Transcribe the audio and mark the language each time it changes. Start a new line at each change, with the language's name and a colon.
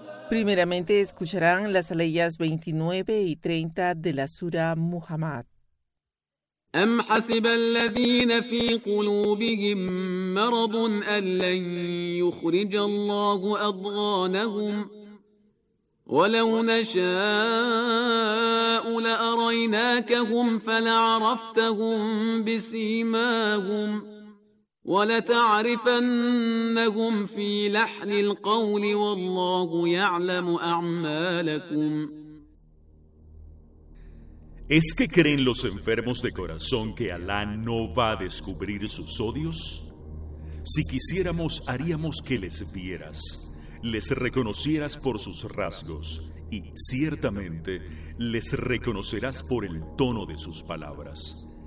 Spanish: Primeramente escucharán las aleyas 29 y 30 de la sura Muhammad.
Arabic: أم حسب الذين في قلوبهم مرض أن لن يخرج الله أضغانهم ولو نشاء لأريناكهم فلعرفتهم بسيماهم ولتعرفنهم في لحن القول والله يعلم أعمالكم.
Spanish: ¿Es que creen los enfermos de corazón que Alá no va a descubrir sus odios? Si quisiéramos, haríamos que les vieras, les reconocieras por sus rasgos, y ciertamente les reconocerás por el tono de sus palabras.